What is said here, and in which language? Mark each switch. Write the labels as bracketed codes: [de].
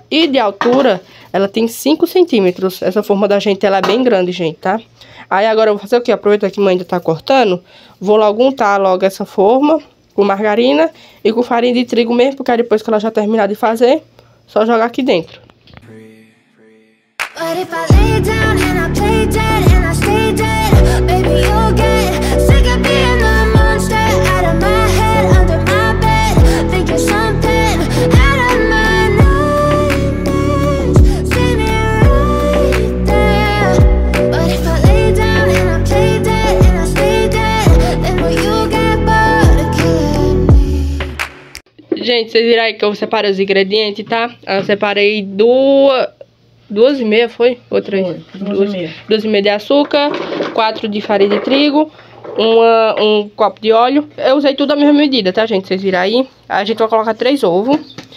[pt] E de altura, ela tem 5 centímetros. Essa forma da gente, ela é bem grande, gente, tá? Aí agora eu vou fazer o quê? Aproveito que a mãe ainda tá cortando, vou logo untar logo essa forma, com margarina e com farinha de trigo mesmo, porque aí depois que ela já terminar de fazer, só jogar aqui dentro. [en] But if I lay down and I play dead and I stay dead, baby, you'll get sick of being the monster out of my head, under my bed, thinking something out of my nightmares. See me right there. But if I lay down and I play dead and I stay dead, then will you get bored of killing me? [pt] Gente, vocês viram aí que eu separei os ingredientes, tá? Eu separei duas e meia, foi? Ou três? Duas e meia de açúcar, quatro de farinha de trigo, um copo de óleo. Eu usei tudo a mesma medida, tá, gente? Vocês viram aí. A gente vai colocar três ovos.